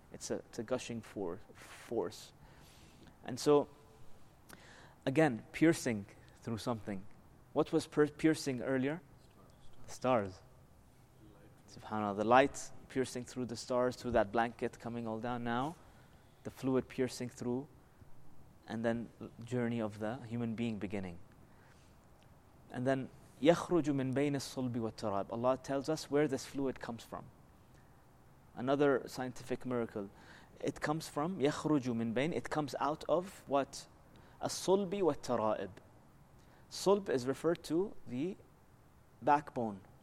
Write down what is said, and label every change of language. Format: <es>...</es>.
<en>It's a gushing force. And so again, piercing through something. What was piercing earlier? Stars. SubhanAllah, the light piercing through the stars, through that blanket coming all down. Now the fluid piercing through, and then journey of the human being beginning. And then</en> <ar>يَخْرُجُ مِن بَيْنِ الصُّلْبِ وَالتَّرَابِ.</ar> <en>Allah tells us where this fluid comes from. Another scientific miracle. It comes from</en> <ar>يَخْرُجُ مِن بَيْنِ.</ar> <en>It comes out of what?</en> <ar>الصُّلْبِ وَالتَّرَائِبِ.</ar> <en>صُلْب is referred to the backbone.</en>